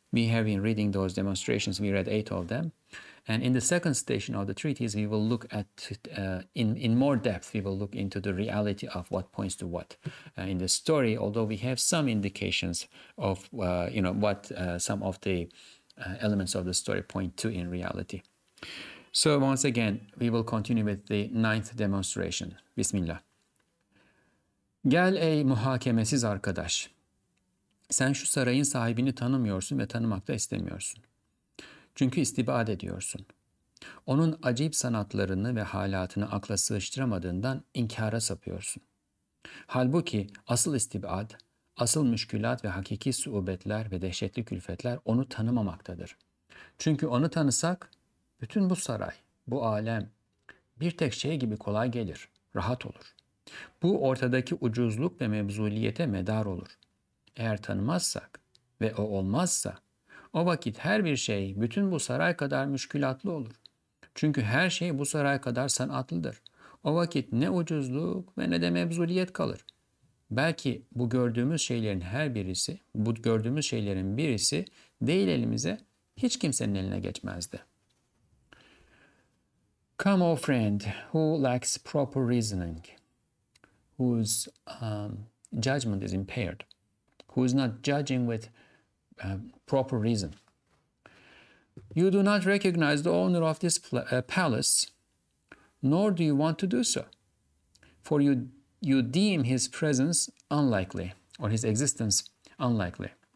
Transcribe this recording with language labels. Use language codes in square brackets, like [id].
[en] We have been reading those demonstrations. We read 8 of them. And in the second station of the treatise, we will look at, in more depth, we will look into the reality of what points to what in the story, although we have some indications of, you know, what some of the elements of the story point to in reality. So once again, we will continue with the 9th demonstration. Bismillah. [tr] Gel ey muhakemesiz arkadaş. Sen şu sarayın sahibini tanımıyorsun ve tanımak da istemiyorsun. Çünkü istibad ediyorsun. Onun acayip sanatlarını ve halatını akla sığıştıramadığından inkara sapıyorsun. Halbuki asıl istibad, asıl müşkülat ve hakiki suubetler ve dehşetli külfetler onu tanımamaktadır. Çünkü onu tanısak, bütün bu saray, bu alem bir tek şey gibi kolay gelir, rahat olur. Bu ortadaki ucuzluk ve mevzuliyete medar olur. Eğer tanımazsak ve o olmazsa, o vakit her bir şey bütün bu saray kadar müşkülatlı olur. Çünkü her şey bu saray kadar sanatlıdır. O vakit ne ucuzluk ve ne de mevzuliyet kalır. Belki bu gördüğümüz şeylerin her birisi, bu gördüğümüz şeylerin birisi değil elimize, hiç kimsenin eline geçmezdi. [en] Come, O friend, who lacks proper reasoning, whose judgment is impaired, who is not judging with proper reason. You do not recognize the owner of this palace, nor do you want to do so, for you deem his presence unlikely, or his existence unlikely.